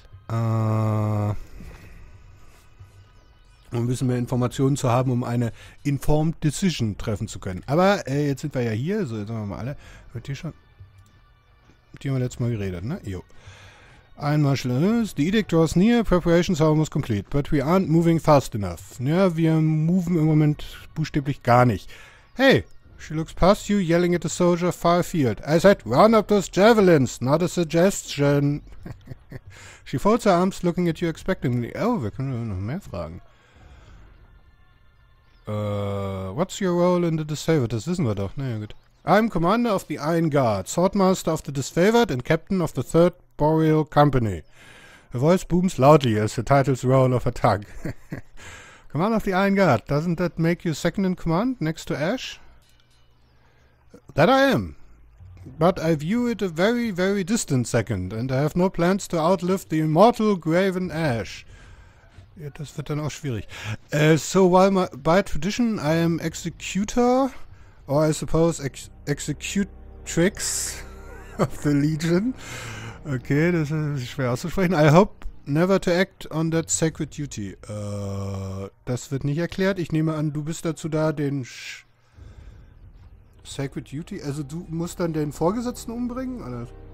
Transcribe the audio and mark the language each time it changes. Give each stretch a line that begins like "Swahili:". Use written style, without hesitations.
German: Um ein bisschen mehr Informationen zu haben, um eine
English: informed decision
German: treffen zu können. Aber jetzt sind wir ja hier, so jetzt haben wir mal alle. Hört ihr schon? Die haben wir letztes Mal geredet, ne? Jo. Ein Marshal ist.
English: The Edict draws near. Preparations are almost complete. But we aren't moving fast enough.
German: Ja, wir moven im Moment buchstäblich gar nicht.
English: Hey! She looks past you, yelling at a soldier far afield. I said, round up those javelins, not a suggestion. She folds her arms, looking at you expectantly.
German: Oh, wir können noch mehr fragen.
English: What's your role in the Disfavored?
German: Das wissen wir doch. Naja, gut.
English: I'm Commander of the Iron Guard, Swordmaster of the Disfavored and Captain of the Third Boreal Company. Her voice booms loudly as the title's roll of her tongue. Commander of the Iron Guard, doesn't that make you second in command next to Ash? That I am. But I view it a very, very distant second and I have no plans to outlive the immortal Graven Ash.
German: Ja, das wird dann auch schwierig.
English: So while by tradition I am executor, or I suppose executrix of the Legion.
German: Okay, das ist schwer auszusprechen.
English: I hope never to act on that sacred duty.
German: Das wird nicht erklärt. Ich nehme an, du bist dazu da, den Sch Sacred Duty. Also du musst dann den Vorgesetzten umbringen, oder?